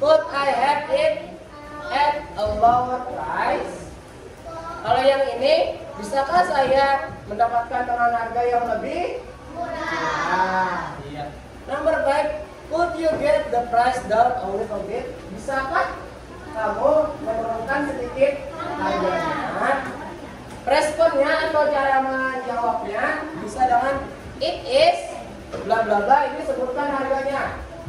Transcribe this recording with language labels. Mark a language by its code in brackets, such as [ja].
[en] Could I have it at a lower price? [id] Kalau yang ini, bisakah saya mendapatkan dengan harga yang lebih murah? Iya. [en] Number 5, could you get the price down a little bit? [id] Bisakah kamu menurunkan sedikit harganya? Responnya atau cara menjawabnya bisa dengan [en] it is bla bla bla, [id] ini sebutkan harganya.